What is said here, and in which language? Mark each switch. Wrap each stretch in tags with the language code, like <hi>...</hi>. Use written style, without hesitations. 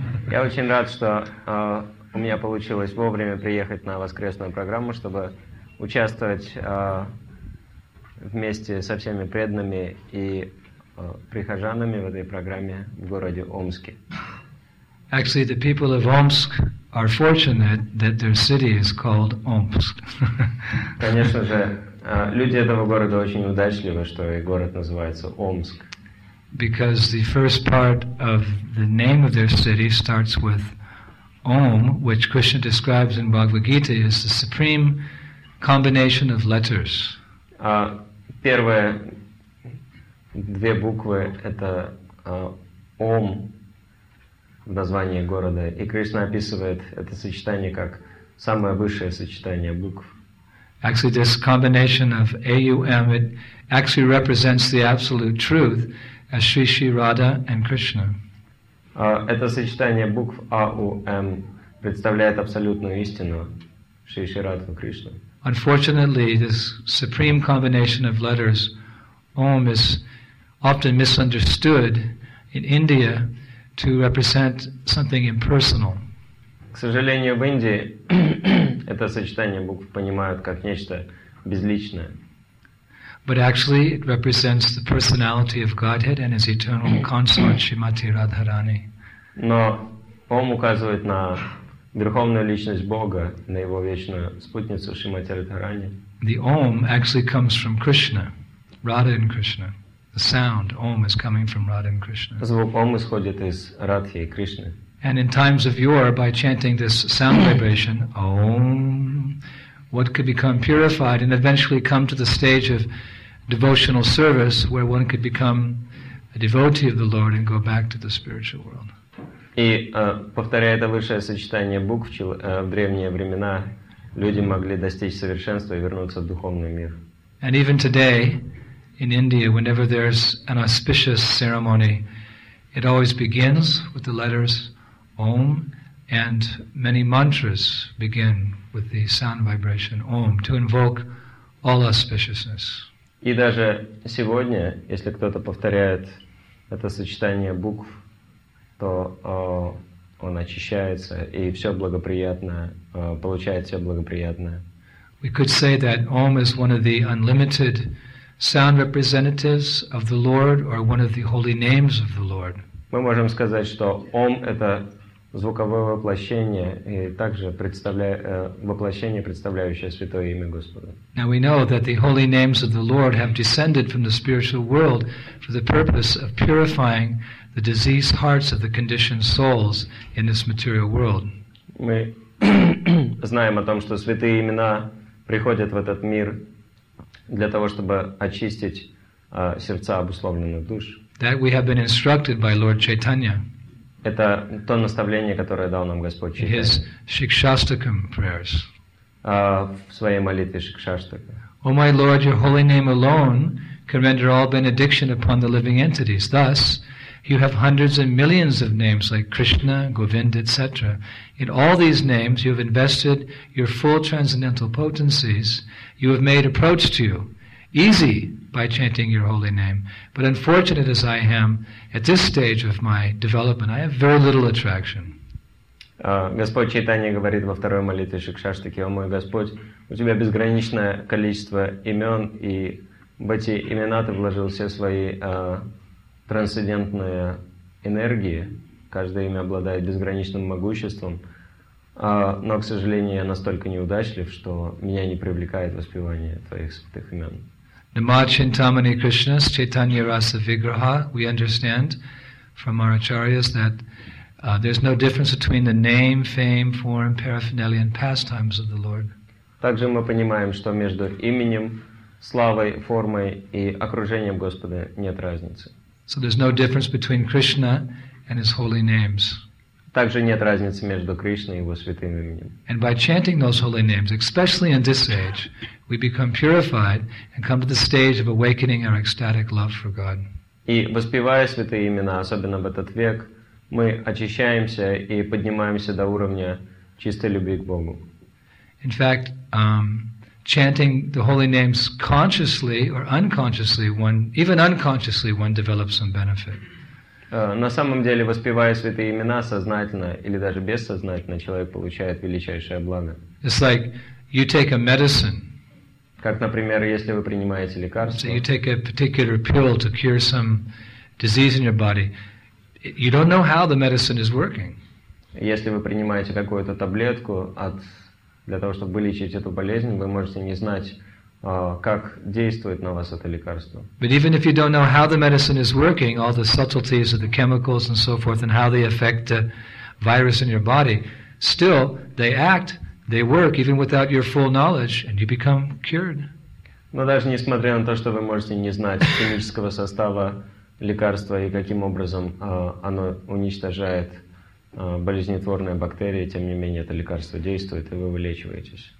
<ru>Я очень рад, что у меня получилось вовремя приехать на воскресную программу, чтобы участвовать вместе со всеми преданными и прихожанами в этой программе в городе Омске.</ru> <en>Actually, the people of Omsk are fortunate that their city is called Omsk.</en> <ru>Конечно же, люди этого города очень удачливы, что их город называется Омск.</ru> <en>Because the first part of the name of their city starts with Om, which Krishna describes in Bhagavad Gita as the supreme combination of letters.</en> <ru>Первое две буквы это Ом в названии города, и Кришна описывает это сочетание как самое высшее сочетание букв.</ru> <en>Actually, this combination of AUM it actually represents the absolute truth as Sri Sri Radha and Krishna.</en> <ru>Это сочетание букв AUM представляет абсолютную истину Шри Шри Радха Кришна.</ru> <en>Unfortunately, this supreme combination of letters Om is often misunderstood in India to represent something impersonal.</en> <ru>К сожалению, в Индии это сочетание букв понимают как нечто безличное.</ru> <en>But actually it represents the personality of Godhead and his eternal consort Shrimati Radharani.</en> <ru>Но Ом указывает на верховную личность Бога, на его вечную спутницу Шримати Радхарани.</ru> <en>The Ом actually comes from Krishna, Radha and Krishna. The sound Om is coming from Radha and Krishna.</en> <ru>Звук Ом исходит из Радхи и Кришны.</ru> <en>And in times of yore, by chanting this sound vibration Om, one could become purified and eventually come to the stage of devotional service, where one could become a devotee of the Lord and go back to the spiritual world.</en> <ru>И повторяя это высшее сочетание букв в древние времена, люди могли достичь совершенства и вернуться в духовный мир.</ru> <en>And even today. In India, whenever there's an auspicious ceremony, it always begins with the letters Om, and many mantras begin with the sound vibration Om to invoke all auspiciousness.</en> <ru>И даже сегодня, если кто-то повторяет это сочетание букв, то он очищается и все благоприятное получает все благоприятное.</ru> <en>We could say that Om is one of the unlimited sound representatives of the Lord or one of the holy names of the Lord.</en> <ru>Мы можем сказать, что Ом это звуковое воплощение и также воплощение, представляющее святое имя Господа.</ru> <en>Now we know that the holy names of the Lord have descended from the spiritual world for the purpose of purifying the diseased hearts of the conditioned souls in this material world.</en> <ru>Мы знаем о том, что святые имена приходят в этот мир для того, чтобы очистить сердца обусловленных душ.</ru> <en>That we have been instructed by Lord Chaitanya.</en> <ru>Это то наставление, которое дал нам Господь Чайтанья.</ru> <en>His Shikshastakam prayers.</en> <ru>В своей молитве Шикшаштака.</ru> <en>O my Lord, your holy name alone can render all benediction upon the living entities. Thus, you have hundreds and millions of names like Krishna, Govinda, etc. In all these names, you have invested your full transcendental potencies. You have made approach to you easy by chanting your holy name. But unfortunate as I am, at this stage of my development, I have very little attraction.</en> <ru>Господь Чайтанья говорит во второй молитве Шикшаштаки, «О мой Господь, у Тебя безграничное количество имен, и в эти имена Ты вложил все свои трансцендентные энергии. Каждое имя обладает безграничным могуществом. Но, к сожалению, я настолько неудачлив, что меня не привлекает воспевание твоих святых имен.</ru> <sa>Nama Chintamani Krishna, Chaitanya Rasa Vigraha,</sa> <en>we understand from our acharyas that there's no difference between the name, fame, form, paraphernalia, and pastimes of the Lord.</en> <ru>Также мы понимаем, что между именем, славой, формой и окружением Господа нет разницы.</ru> <en>So there's no difference between Krishna and his holy names.</en> <ru>Также нет разницы между Кришной и его святым именем.</ru> <en>And by chanting those holy names, especially in this age, we become purified and come to the stage of awakening our ecstatic love for God.</en> <ru>И воспевая святые имена, особенно в этот век, мы очищаемся и поднимаемся до уровня чистой любви к Богу.</ru> <en>In fact, chanting the holy names consciously or unconsciously, one develops some benefit.</en> <ru>На самом деле, воспевая святые имена сознательно или даже бессознательно, человек получает величайшее благо.</ru> <en>It's like you take a medicine.</en> <ru>Как, например, если вы принимаете лекарство.</ru> <en>So you take a particular pill to cure some disease in your body. You don't know how the medicine is working.</en> <ru>Если вы принимаете какую-то таблетку для того, чтобы вылечить эту болезнь, вы можете не знать, как действует на вас это лекарство.</ru> <en>But even if you don't know how the medicine is working, all the subtleties of the chemicals and so forth, and how they affect the virus in your body, still they act, they work, even without your full knowledge, and you become cured.</en> <ru>Но даже несмотря на то, что вы можете не знать химического состава лекарства и каким образом оно уничтожает болезнетворные бактерии, тем не менее это лекарство действует, и вы вылечиваетесь.</ru>